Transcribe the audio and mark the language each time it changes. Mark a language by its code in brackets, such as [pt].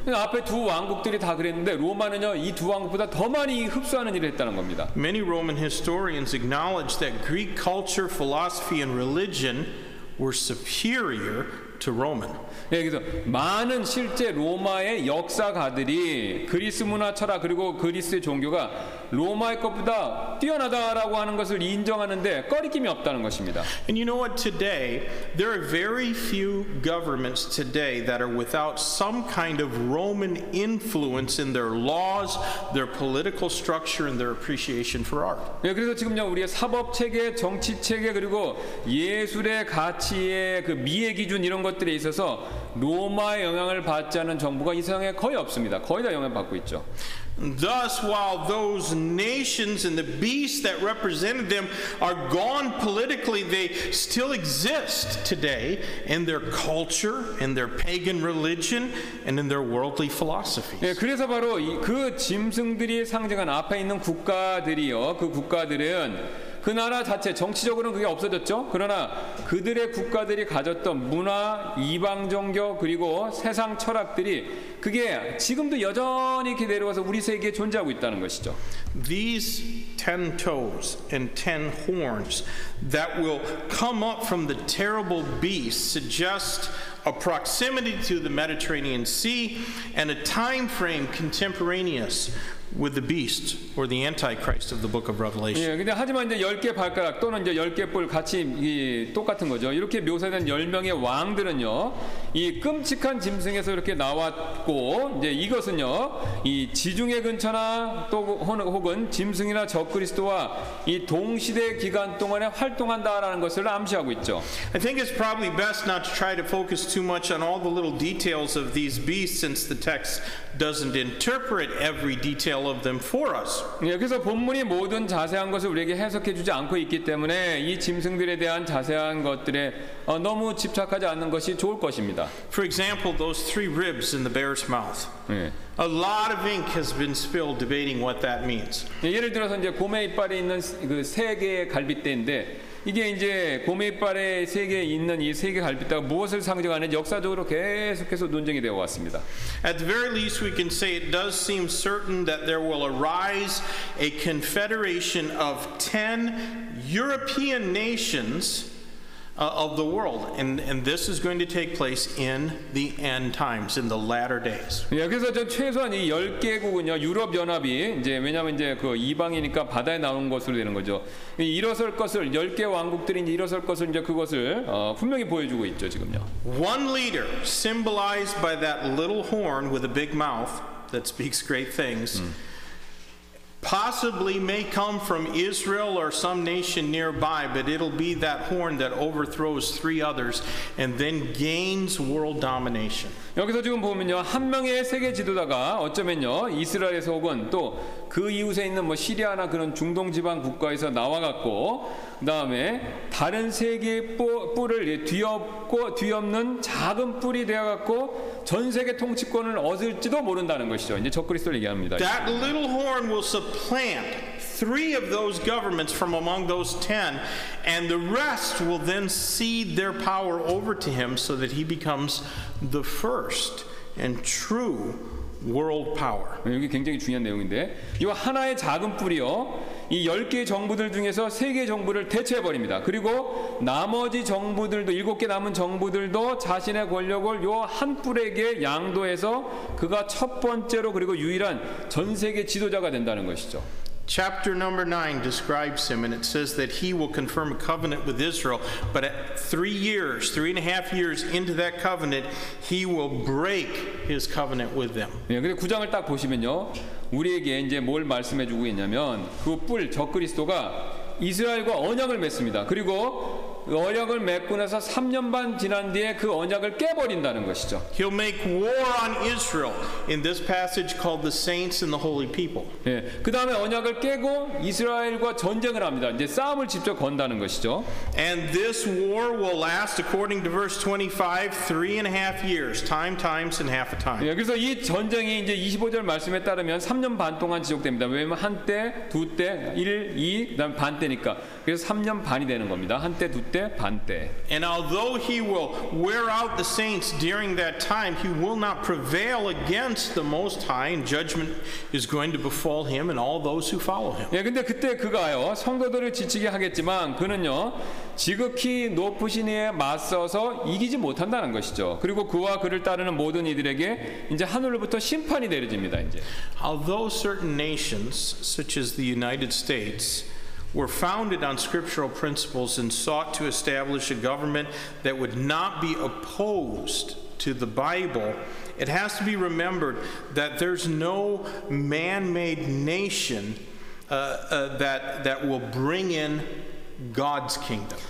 [ko] 네. 앞에 두 왕국들이 다 그랬는데 로마는요 이 두 왕국보다 더 많이 흡수하는 일을 했다는 겁니다. [en] Many Roman historians acknowledge that Greek culture, philosophy, and religion were superior to Roman. [ko] 예, 그래서 많은 실제 로마의 역사가들이 그리스 문화 철학 그리고 그리스의 종교가 로마의 것보다 뛰어나다라고 하는 것을 인정하는데 꺼리낌이 없다는 것입니다. [en] And you know what? Today there are very few governments today that are without some kind of Roman influence in their laws, their political structure, and their appreciation for art. [ko] 예, 그래서 지금요 우리의 사법 체계, 정치 체계 그리고 예술의 가치의 그 미의 기준 이런 것들에 있어서 로마의 영향을 받지 않은 정부가 이 세상에 거의 없습니다. 거의 다 영향을 받고 있죠. [en] Thus, while those nations and the beasts that represented them are gone politically, they still exist today in their culture, in their pagan religion, and in their worldly philosophies. [ko] 예, 그래서 바로 그 짐승들이 상징한 앞에 있는 국가들이요, 그 국가들은 그 나라 자체 정치적으로는 그게 없어졌죠. 그러나 그들의 국가들이 가졌던 문화, 이방 종교 그리고 세상 철학들이 그게 지금도 여전히 그대로 와서 우리 세계에 존재하고 있다는 것이죠. [en] These ten toes and ten horns that will come up from the terrible beast suggest a proximity to the Mediterranean Sea and a time frame contemporaneous with the beast or the antichrist of the book of Revelation. [ko] 예, 근데 하지만 이제 10개 발가락 또는 이제 10개 뿔 같이 이 똑같은 거죠. 이렇게 묘사된 10명의 왕들은요. 이 끔찍한 짐승에서 이렇게 나왔고 이제 이것은요. 이 지중해 근처나 또 혹은 짐승이나 적그리스도와 이 동시대 기간 동안에 활동한다라는 것을 암시하고 있죠. [en] I think it's probably best not to try to focus too much on all the little details of these beasts since the text doesn't interpret every detail of them for us. [ko] 예, 그래서 본문이 모든 자세한 것을 우리에게 해석해 주지 않고 있기 때문에 이 짐승들에 대한 자세한 것들에 너무 집착하지 않는 것이 좋을 것입니다. [en] For example, those three ribs in the bear's mouth. [ko] 예. [en] A lot of ink has been spilled debating what that means. [ko] 예, 예를 들어서 이제 곰의 이빨에 있는 그 세 개의 갈빗대인데 이게 이제 곰의 이빨에 세 개 있는 이 세 개 갈빗대가 무엇을 상징하는지 역사적으로 계속해서 논쟁이 되어 왔습니다. [en] At the very least, we can say it does seem certain that there will arise a confederation of 10 European nations of the world, and this is going to take place in the end times, in the latter days. [ko] 예, 그래서 저 최소한 이 열 개국은요, 유럽 연합이 이제 왜냐하면 이제 그 이방이니까 바다에 나온 것으로 되는 거죠. 일어설 것을 열 개 왕국들이 이제 일어설 것을 이제 그것을 분명히 보여주고 있죠 지금요. [en] One leader, symbolized by that little horn with a big mouth that speaks great things. Possibly may come from Israel or some nation nearby, but it'll be that horn that overthrows three others and then gains world domination. [ko] 여기서 지금 보면요, 한 명의 세계 지도자가 어쩌면요, 이스라엘에서 혹은 또 그 이웃에 있는 뭐 시리아나 그런 중동 지방 국가에서 나와갖고 그다음에 다른 세계의 뿔을 뒤엎고 뒤엎는 작은 뿔이 되어갖고 전 세계 통치권을 얻을지도 모른다는 것이죠. 이제 적그리스도를 얘기합니다. [en] That little horn will supplant three of those governments from among those ten, and the rest will then cede their power over to him so that he becomes the first and true world power. [ko] 이게 굉장히 중요한 내용인데, 이 하나의 작은 뿔이요, 이 열 개의 정부들 중에서 세 개의 정부를 대체해 버립니다. 그리고 나머지 정부들도 일곱 개 남은 정부들도 자신의 권력을 이 한 뿔에게 양도해서 그가 첫 번째로 그리고 유일한 전 세계 지도자가 된다는 것이죠. [en] Chapter number 9 describes him, and it says that he will confirm a covenant with Israel, but at 3 years, 3.5 years into that covenant, he will break his covenant with them. [ko] 예, 근데 9장을 딱 보시면요, 우리에게 이제 뭘 말씀해 주고 있냐면, 그 뿔, 적그리스도가 이스라엘과 언약을 맺습니다. 그리고 언약을 맺고 나서 3년 반 지난 뒤에 그 언약을 깨버린다는 것이죠. [en] He'll make war on Israel in this passage called the saints and the holy people. [ko] 예, 그 다음에 언약을 깨고 이스라엘과 전쟁을 합니다. 이제 싸움을 직접 건다는 것이죠. [en] And this war will last, according to verse 25, 3.5 years, time, times, and half a time. [ko] 예, 그래서 이 전쟁이 이제 25절 말씀에 따르면 3년 반 동안 지속됩니다. 왜냐면 한 때, 두 때, 1, 2, 그 다음 반 때니까. 그래서 3년 반이 되는 겁니다. 한 때, 두 때. [en] And although he will wear out the saints during that time, he will not prevail against the Most High, and judgment is going to befall him and all those who follow him. [ko] 예, 근데 그때 그가요 성도들을 지치게 하겠지만 그는요 지극히 높으신 이에 맞서서 이기지 못한다는 것이죠. 그리고 그와 그를 따르는 모든 이들에게 이제 하늘로부터 심판이 내려집니다. 이제. [en] Although certain nations, such as the United States, were founded on scriptural principles and sought to establish a government that would not be opposed to the Bible, it has to be remembered that there's no man-made nation that will bring in God's kingdom.